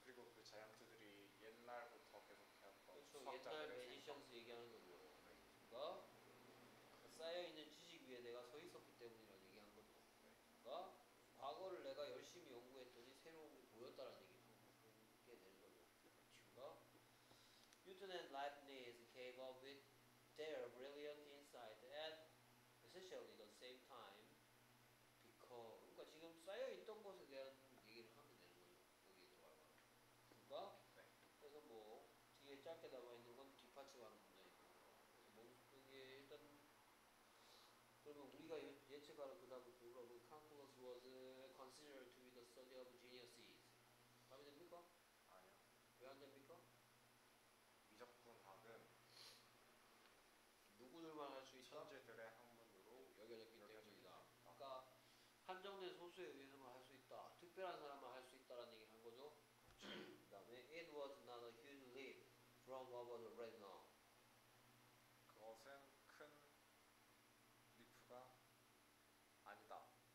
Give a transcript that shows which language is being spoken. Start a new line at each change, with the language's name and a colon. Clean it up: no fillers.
Korean: 그리고 그 자이언트들이 옛날부터 계속해왔던 그쵸. 옛날 매니션스 얘기하는 거죠. 네. 그니까 그 쌓여있는 지식 위에 내가 서 있었기 때문이라고 얘기한 거죠. 네. 그니까 과거를 내가 열심히 연구했더니 새로운 게 보였다라는 얘기도 그렇게 되는 거죠. 그니까
English: Newton and Leibniz came up with their brilliant insight at essentially the same time.
Korean: 그러니까 지금 쌓여 있던 것에 대한 얘기를 하면 되는 거죠. 여기에 들어가면. 그러니까 네. 그래서 뭐 뒤에 짧게 남아 있는 건 뒷받침 하는 문제이고. 뭐 그게 일단 그러면 우리가 예측하는 그 답을 보러 그
English: Calculus was considered to be the study of geniuses.
Korean: 답이 됩니까? 아니요. 왜 안 됩니까? 미적분학은 누구들만 할 수 있어? 천재들의 학문으로 여겨졌기 때문이다. 그러니까 한정된 소수에 의해서만 할 수 있다. 특별한 사람만 할 수 있다라는 얘기를 한 거죠. 그 다음에
English: It was not a huge leap from over the retinal.
Korean: 그것은 큰 리프가 아니다.